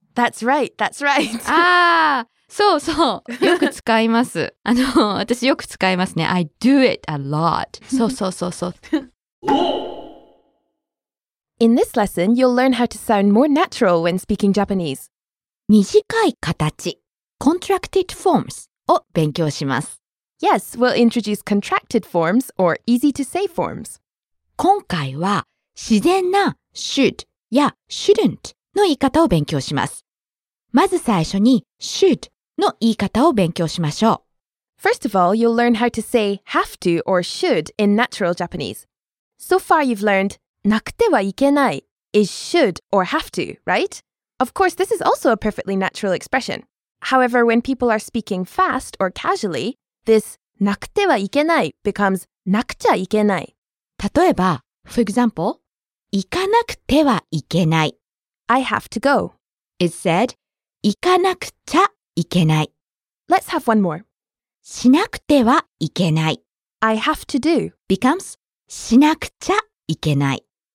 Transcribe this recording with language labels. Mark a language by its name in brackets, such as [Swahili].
[English] That's right, that's right. [Japanese] Ah, so, so. よく使います。私よく使いますね。 [English] I do it a lot. So, so, so, so. In this lesson, you'll learn how to sound more natural when speaking Japanese. [Japanese] 短い形 [English] contracted forms [Japanese] を勉強します。 [English] Yes, we'll introduce contracted forms or easy-to-say forms. [Japanese] 今回は自然な should や shouldn't の言い方を勉強します。まず最初に should の言い方を勉強しましょう。 [English] First of all, you'll learn how to say have to or should in natural Japanese. So far you've learned なくてはいけない is should or have to, right? Of course, this is also a perfectly natural expression. However, when people are speaking fast or casually,This なくてはいけない becomes なくちゃいけない。 [Japanese] 例えば、 [English] for example, [Japanese] 行かなくてはいけない。 [English] I have to go. It said, [Japanese] 行かなくちゃいけない。 [English] Let's have one more. [Japanese] しなくてはいけない。 [English] I have to do becomes [Japanese] しなくちゃいけない。